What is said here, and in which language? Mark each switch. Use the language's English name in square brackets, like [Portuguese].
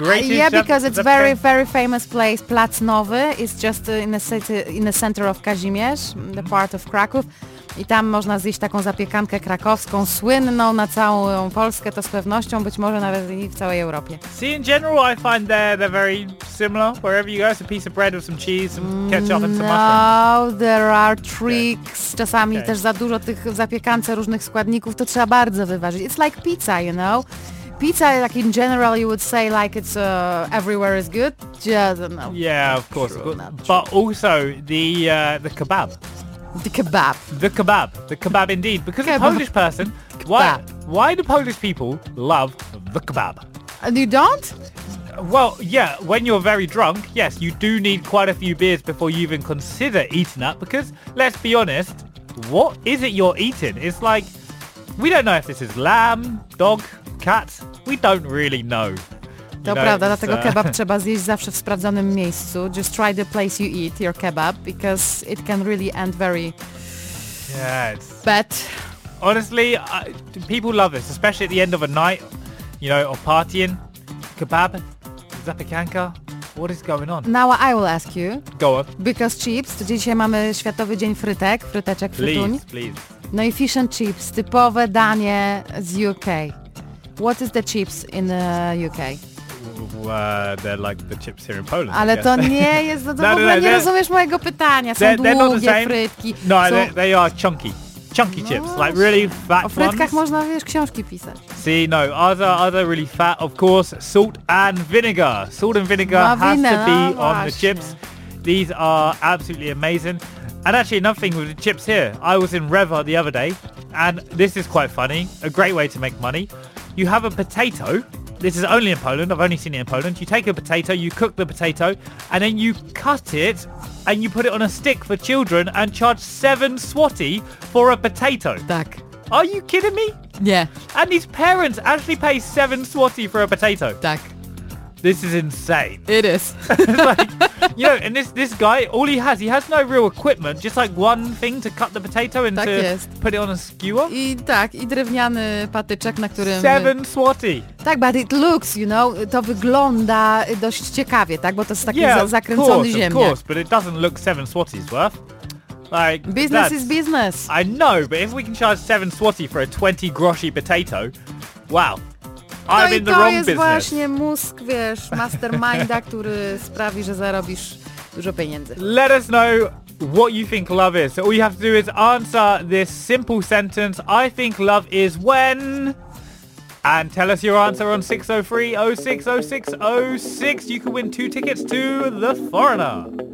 [English] Yeah, because it's very, very famous place. Plac Nowy is just in the city, in the center of Kazimierz, mm-hmm. the part of Kraków. [Polish] I tam można zjeść taką zapiekankę krakowską, słynną na całą Polskę, to z pewnością, być może nawet i w całej Europie. [English] See, in general I find they're very similar. Wherever you go, it's a piece of bread with some cheese, some ketchup and some mushroom. No, there are tricks. Okay. [Polish] Czasami okay. też za dużo tych w zapiekance różnych składników, to trzeba bardzo wyważyć. [English] It's like pizza, you know? Pizza, like in general, you would say like it's everywhere is good. Yeah, I don't know. Yeah, not of course. True, but, also the kebab. The kebab. The kebab. The kebab indeed. Because kebab. A Polish person, why do Polish people love the kebab? And you don't? Well, yeah, when you're very drunk, yes, you do need quite a few beers before you even consider eating that. Because let's be honest, what is it you're eating? It's like, we don't know if this is lamb, dog, cat. We don't really know. [Polish] To [English] know, [Polish] prawda, dlatego kebab trzeba zjeść zawsze w sprawdzonym miejscu. [English] Just try the place you eat your kebab, because it can really end very bad. Honestly, people love this, especially at the end of a night, you know, of partying. Kebab, zapiekanka, what is going on? Now I will ask you. Go on. Because chips, [Polish] to dzisiaj mamy Światowy Dzień Frytek, fryteczek, frytuń. [English] Please. [Polish] No i fish and chips, typowe danie z UK. [English] What is the chips in the UK? They're like the chips here in Poland. [Polish] Ale to nie jest to w ogóle nie rozumiesz mojego pytania. Są długie frytki. [English] No, they are chunky. Chunky chips, no, like really fat ones. [Polish] O frytkach [English] ones. [Polish] Można, wiesz, książki pisać. [English] See, no, other really fat, of course, salt and vinegar. Salt and vinegar has to be on the chips. These are absolutely amazing. And actually, another thing with the chips here. I was in Reva the other day, and this is quite funny. A great way to make money. You have a potato. This is only in Poland. I've only seen it in Poland. You take a potato, you cook the potato, and then you cut it, and you put it on a stick for children and charge 7 złoty for a potato. [Polish] Tak. [English] Are you kidding me? Yeah. And these parents actually pay 7 złoty for a potato. [Polish] Tak. [English] This is insane. It is. Like, you know, and this guy, all he has no real equipment, just like one thing to cut the potato and [Polish] tak to jest. [English] Put it on a skewer. [Polish] I tak, i drewniany patyczek, na którym... [English] 7 złoty. [Polish] Tak, [English] but it looks, you know, [Polish] to wygląda dość ciekawie, tak? Bo to jest taki zakręcony ziemniak. [English] Yeah, of course, but it doesn't look 7 złotys worth. Like, business is business. I know, but if we can charge 7 złoty for a 20 groszy potato, wow. [Polish] To [English] I'm in the [Polish] to [English] wrong [Polish] jest [English] business. [Polish] Właśnie mózg, wiesz, masterminda, który sprawi, że zarobisz dużo pieniędzy. [English] Let us know what you think love is. So all you have to do is answer this simple sentence. I think love is when... And tell us your answer on 603-060606. You can win 2 tickets to The Foreigner.